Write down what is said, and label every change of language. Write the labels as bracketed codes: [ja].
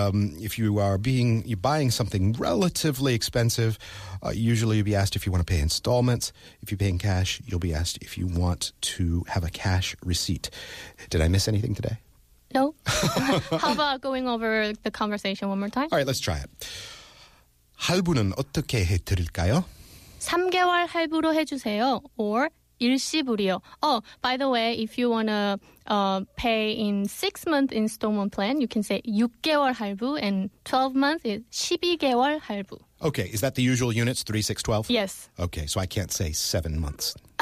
[en] If you are buying something relatively expensive, usually you'll be asked if you want to pay installments. If you pay in cash, you'll be asked if you want to have a cash receipt. Did I miss anything today? No. How about going over the conversation one more time? All right, let's try it. [ko] 할부는 어떻게 해 드릴까요? 3개월 할부로 해 주세요. Or 일시불이요. [en] Oh, by the way, if you want to pay in 6-month installment plan, you can say [ko] 6개월 할부, [en] and 12 months is [ko] 12개월 할부. [en] Okay, is that the usual units, 3, 6, 12? Yes. Okay, so I can't say 7 months.